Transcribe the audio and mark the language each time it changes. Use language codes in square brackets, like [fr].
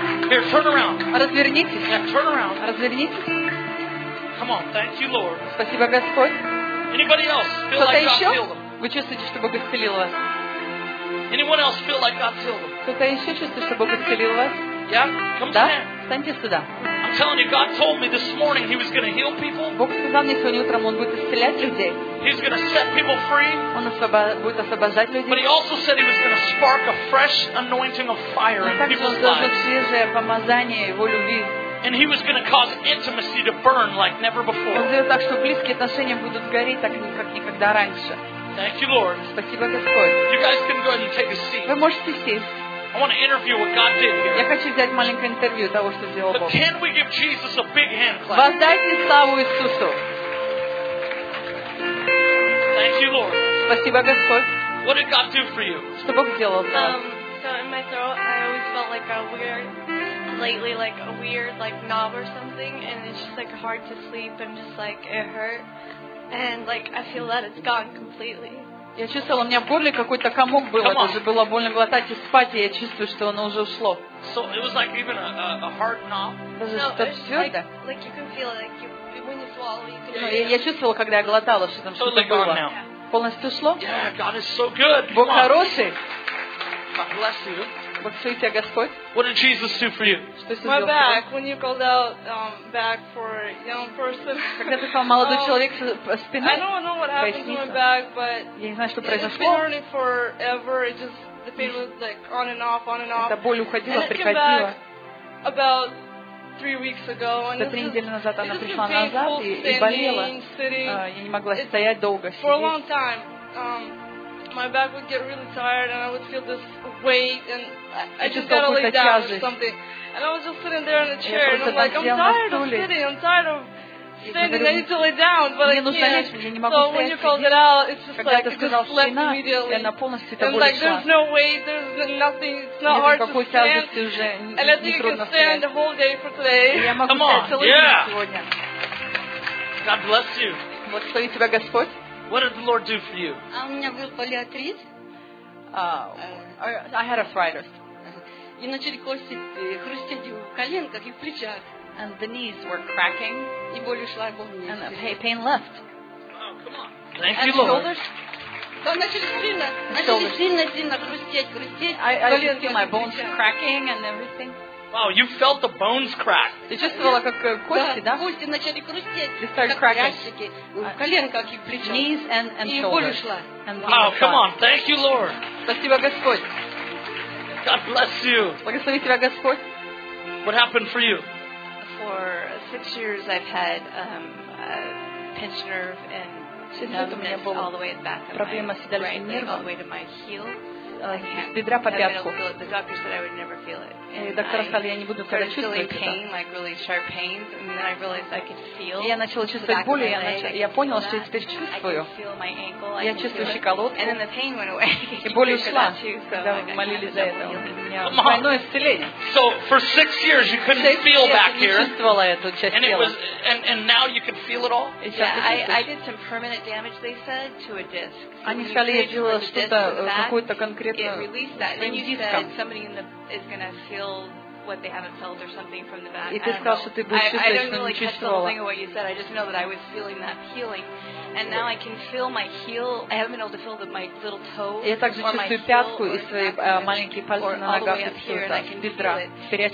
[en] Here, turn around. [ru] Развернитесь. [en] Yeah, turn around. [ru] Развернитесь. [en] Come on, thank you, Lord. [ru] Спасибо, Господь. [en] Anybody else feel like God healed them? [ru] Вы чувствуете, что Бог исцелил вас? [en] Anyone else feel like God healed them? [ru] Кто-то еще чувствует, что Бог исцелил вас? [en] Yeah, come [ru] да? [en] stand. [ru] Встаньте сюда. [en] I'm telling you, God told me this morning He was going to heal people. [ru] Бог сказал мне сегодня утром, Он будет исцелять людей. [en] He's going to set people free. [ru] Он будет освобождать людей. [en] But He also said He was going to spark a fresh anointing of fire in people's lives. [ru] Он также свежее помазание Его любви. [en] And He was going to cause intimacy to burn like never before. [ru] Он сделал так, что близкие отношения будут гореть так, как никогда раньше. [en] Thank you, Lord. [ru] Спасибо, Господь. [en] You guys can go ahead and take a seat. [ru] Вы можете сесть. [en] I want to interview what God did here. [ru] Я хочу взять маленькое интервью того, что сделал Бог. [en] But can we give Jesus a big hand clap? [ru] Воздайте славу Иисусу. [en] Thank you, Lord. [ru] Спасибо, Господь. [en] What did God do for you? [ru] Что Бог сделал для вас? [en] So in my throat, I always felt like a weird, lately, like a weird, like knob or something, and it's just like hard to sleep and just like it hurt, and like I feel that it's gone completely. [ru] Я чувствовала, у меня в горле какой-то комок был, это уже было больно глотать и спать, и я чувствую, что оно уже ушло. [en] So it was like even a hard knob. No, it was like you can feel like you, when you swallow, you can. Yeah, yeah. [ru] Я чувствовала, когда я глотала, что там [en] totally [ru] что-то было. [en] Yeah. [ru] Полностью ушло. [en] Yeah, God is so good. [ru] Бог хороший. [en] God bless you. [ru] Благослови тебя, Господь. [en] What did Jesus do for you? My back. When you called out back for a young person. [ru] Когда ты сказал молодой человек спиной. [en] I don't know what happened to my back, but [ru] я не знаю, что произошло. [en] It's been hurting forever. It just the pain was like on and off, on and off. [ru] Эта боль уходила, приходила. [en] And it came back about 3 weeks ago. [ru] За три недели назад она пришла назад и болела. Я не могла стоять долго. [en] For a long time. My back would get really tired, and I would feel this weight, and I just gotta lay down or something. And I was just sitting there in a chair, and I'm like, I'm tired of sitting, I'm tired of standing, I need to lay down, but I can't. So when you called it out, it's just like, it just left immediately. And like, there's no weight, there's nothing, it's not hard to stand. And I think you can stand the whole day for today. Come on, yeah! God bless you. [ru] Благослови тебя, Господь. [en] What did the Lord do for you? [ru] У меня был полиартрит. [en] I had arthritis. [ru] И начали кости хрустеть в коленках и в плечах. [en] And the knees were cracking. [ru] И боль ушла, боль не. [en] And the pain left. Wow, come on. Thank And you, Lord. And shoulders. [ru] Там начали сильно хрустеть, хрустеть. [en] I could feel my bones cracking and everything. Wow, you felt the bones crack. [ru] Ты чувствовала, как кости, да? Кости начали хрустеть. [en] They started cracking. [ru] Коленках и плечах. [en] Knees and shoulders. [ru] И боль ушла. [en] Wow, come on. Thank you, Lord. [ru] Спасибо, Господь. [en] God bless you. [ru] Благослови тебя, Господь. [en] What happened for you? For 6 years, I've had a pinched nerve and numbness all the way at the back of my right leg, all the way to my heel. [ru] Бедра по пятку. И доктор сказал, я не буду тогда чувствовать [en] pain, like really sharp pain, and then I realized I could feel. [ru] Я начала чувствовать боль, я поняла, что я теперь чувствую. [en] Ankle, [ru] я чувствую щиколотку. [en] And then the pain went away. [ru] И боль ушла. Когда молились за это. больное исцеление. [en] So for six years you couldn't feel back here. [ru] Я чувствовала эту часть тела. [en] And it was, and now you can feel it all. Yeah, I did some permanent damage, they said, to a disc. Они сказали, я делала что-то какое-то конкретное. It released that. And you said somebody in the is gonna feel what they haven't felt or something from the back. I don't really catch the whole thing of what you said. I just know that I was feeling that healing. And now I can feel my heel. I haven't been able to feel that my little toe or my heel or neck or all the way up here, and I can feel it.